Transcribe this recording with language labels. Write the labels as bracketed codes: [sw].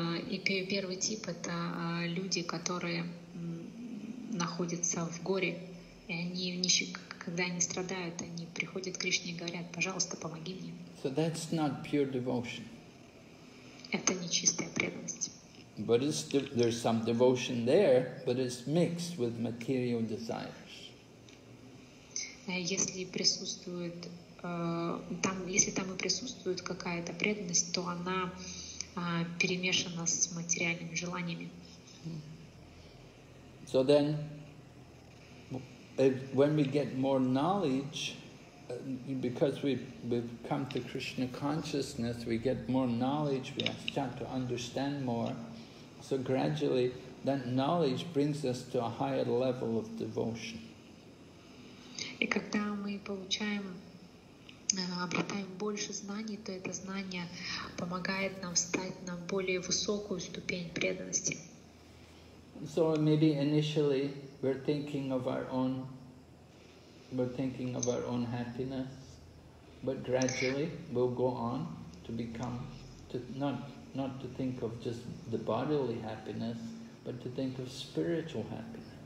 [ru] И первый тип — это люди, которые находятся в горе, и они нищие, когда они страдают, они приходят к Кришне и говорят: «Пожалуйста, помоги мне». [en] So that's not pure devotion. [ru] Это не чистая преданность. [en] But it's there's some devotion there, but it's mixed with material desires. [ru] Если присутствует там, если там и присутствует какая-то преданность, то она перемешана с материальными желаниями. [en] So then, if, when we get more knowledge, because we've come to Krishna consciousness, we get more knowledge, we start to understand more. So gradually, that knowledge brings us to a higher level of devotion. [ru] И когда мы получаем, обретаем больше знаний, то это знание помогает нам встать на более высокую ступень преданности. [en] So maybe initially we're thinking of our own, we're thinking of our own happiness, but gradually we'll go on to become, to not to think of just the bodily happiness, but to think of spiritual happiness.